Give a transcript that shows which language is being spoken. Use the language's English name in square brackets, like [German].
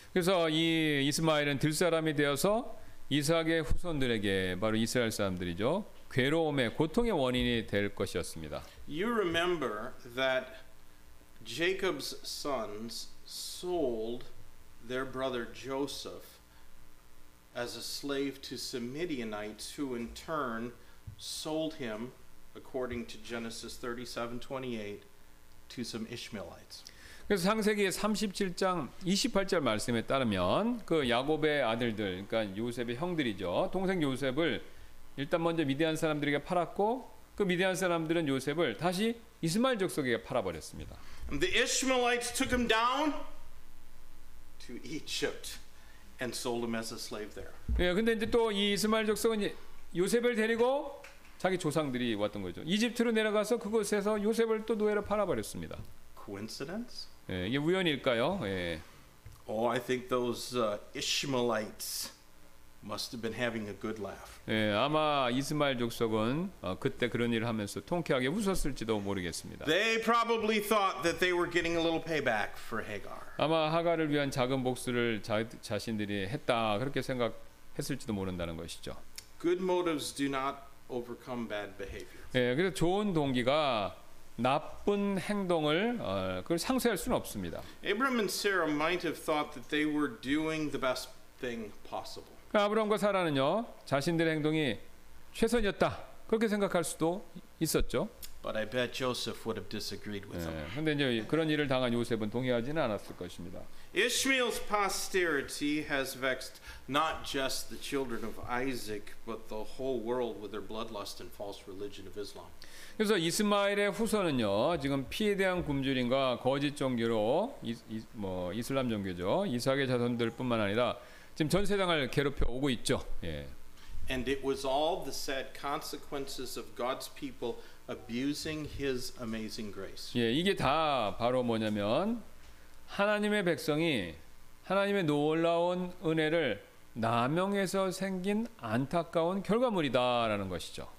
[Korean] 그래서 이 이스마엘은 들사람이 되어서 이삭의 후손들에게 바로 이스라엘 사람들이죠 괴로움의 고통의 원인이 될 것이었습니다. [English] You remember that Jacob's sons sold their brother Joseph as a slave to Midianites, who in turn sold him, according to Genesis 37:28, to some Ishmaelites. [Korean] 그래서 창세기 37장 28절 말씀에 따르면 그 야곱의 아들들, 그러니까 요셉의 형들이죠. 동생 요셉을 일단 먼저 미디안 사람들에게 팔았고 그 미디안 사람들은 요셉을 다시 이스마엘 족속에게 팔아 버렸습니다. [English] The Ishmaelites took him down to Egypt and sold him as a slave there. [Korean] 예, 근데 이제 또 이 이스마엘 족속은 요셉을 데리고 자기 조상들이 왔던 거죠. 이집트로 내려가서 그곳에서 요셉을 또 노예로 팔아 버렸습니다. [English] Coincidence? [Korean] 예, 이게 우연일까요? 예. [English] Oh, I think those Ishmaelites must have been having a good laugh. [Korean] 예, 아마 이스마엘 족속은 그때 그런 일을 하면서 통쾌하게 웃었을지도 모르겠습니다. [English] They probably thought that they were getting a little payback for Hagar. [Korean] 아마 하가를 위한 작은 복수를 자신들이 했다 그렇게 생각했을지도 모른다는 것이죠. [English] Good motives do not overcome bad behavior. [Korean] 예, 그래서 좋은 동기가 나쁜 행동을 그걸 상쇄할 수는 없습니다. [English] Abraham and Sarah might have thought that they were doing the best thing possible. [Korean] 아브라함과 사라는요, 자신들의 행동이 최선이었다 그렇게 생각할 수도 있었죠. [English] But I bet Joseph would have disagreed with them. [Korean] 그런데 이제 그런 일을 당한 요셉은 동의하지는 않았을 것입니다. [English] Ishmael's posterity has vexed not just the children of Isaac, but the whole world with their bloodlust and false religion of Islam. [Korean] 그래서 이스마엘의 후손은요, 지금 피에 대한 굶주림과 거짓 종교로 뭐 이슬람 종교죠, 이삭의 자손들뿐만 아니라 지금 전 세상을 괴롭혀 오고 있죠. 예. [English] And it was all the sad consequences of God's people abusing His amazing grace. [Korean] 예, 이게 다 바로 뭐냐면 하나님의 백성이 하나님의 놀라운 은혜를 남용해서 생긴 안타까운 결과물이다라는 것이죠.